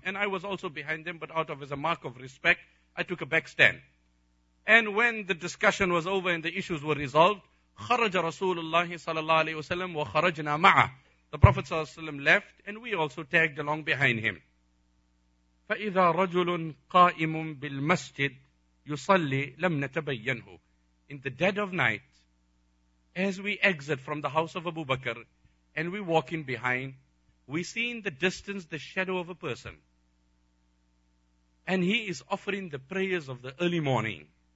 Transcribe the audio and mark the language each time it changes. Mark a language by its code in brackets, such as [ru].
[en] And I was also behind them, but out of as a mark of respect, I took a back stand. And when the discussion was over and the issues were resolved, [ar] خرج رسول الله صلى الله عليه وسلم وخرجنا معه. [en] The Prophet صلى الله عليه وسلم left, and we also tagged along behind him. [ar] فإذا رجل قائم بالمسجد يصلي لم نتبينه. [en] In the dead of night, as we exit from the house of Abu Bakr and we walk in behind, we see in the distance the shadow of a person. And he is offering the prayers of the early morning.